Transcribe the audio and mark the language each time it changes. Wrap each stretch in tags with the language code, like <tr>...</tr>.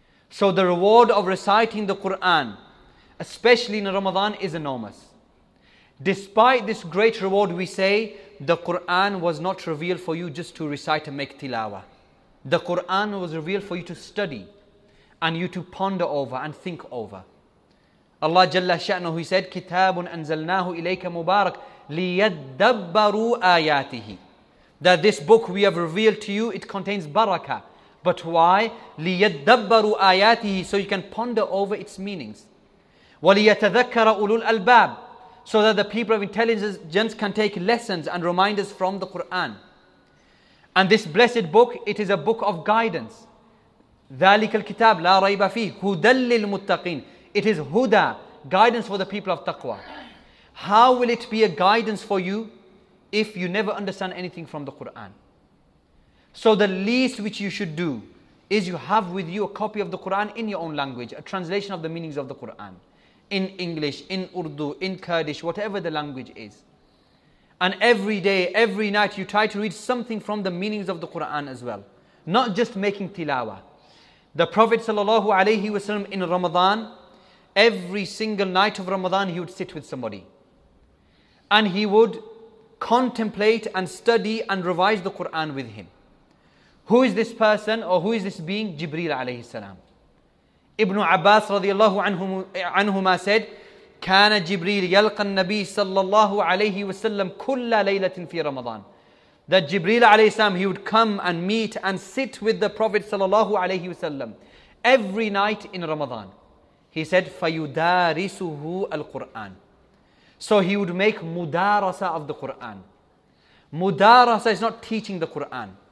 <en>So the reward of reciting the Quran, especially in Ramadan, is enormous. Despite this great reward, we say, the Quran was not revealed for you just to recite and make tilawa. The Quran was revealed for you to study. And you to ponder over and think over. Allah Jalla Sha'nuhu, He said,</en> <ar>كِتَابٌ أَنزَلْنَاهُ إِلَيْكَ مُبَارَكٌ لِيَدَّبَّرُوا آيَاتِهِ.</ar> <en>That this book we have revealed to you, it contains barakah. But why?</en> <ar>لِيَدَّبَّرُوا آيَاتِهِ.</ar> <en>So you can ponder over its meanings.</en> <ar>وَلِيَتَذَكَّرَ أُولُو الْأَلْبَابِ.</ar> <en>So that the people of intelligence can take lessons and reminders from the Quran. And this blessed book, it is a book of guidance.</en> <ar>ذلك الكتاب لا ريب فيه هدى للمتقين.</ar> <en>It is huda, guidance for the people of taqwa. How will it be a guidance for you if you never understand anything from the Quran? So the least which you should do is you have with you a copy of the Quran in your own language, a translation of the meanings of the Quran, in English, in Urdu, in Kurdish, whatever the language is. And every day, every night, you try to read something from the meanings of the Quran as well, not just making tilawa. The Prophet sallallahu alayhi wasallam in Ramadan, every single night of Ramadan, he would sit with somebody. And he would contemplate and study and revise the Quran with him. Who is this person or who is this being? Jibreel alayhi salam. Ibn Abbas radiallahu anhuma said,</en> <ar>كَانَ جِبْرِيلْ يَلْقَ النَّبِي صَلَّى اللَّهُ عَلَيْهِ وَسَلَّمْ كُلَّ لَيْلَةٍ فِي رَمَضَانٍ.</ar> <en>That Jibreel alayhi salam, he would come and meet and sit with the Prophet sallallahu alayhi wasallam every night in Ramadan. He said, فَيُدَارِسُهُ Al-Quran. So he would make mudarasa of the Quran. Mudarasa is not teaching the Quran.</en>